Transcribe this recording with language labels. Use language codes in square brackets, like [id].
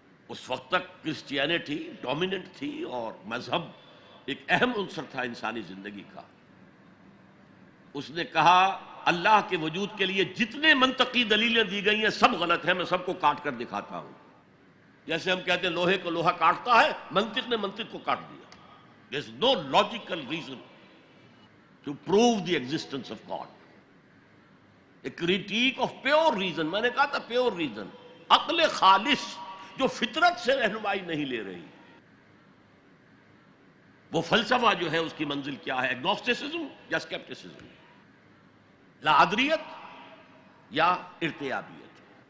[ur] اس وقت تک Christianity dominant تھی اور مذہب ایک اہم عنصر تھا انسانی زندگی کا. اس نے کہا اللہ کے وجود کے لیے جتنے منطقی دلیلیں دی گئی ہیں سب غلط ہیں, میں سب کو کاٹ کر دکھاتا ہوں. جیسے ہم کہتے ہیں لوہے کو لوہا کاٹتا ہے, منطق نے منطق کو کاٹ دیا. [en] There is no logical reason to prove the existence of God. A critique of pure reason. [ur] میں نے کہا تھا پیور ریزن, عقل خالص جو فطرت سے رہنمائی نہیں لے رہی. وہ فلسفہ جو ہے اس کی منزل کیا ہے, ایگنوسٹسزم یا سکیپٹسزم, لاعدریت یا ارتیابیت.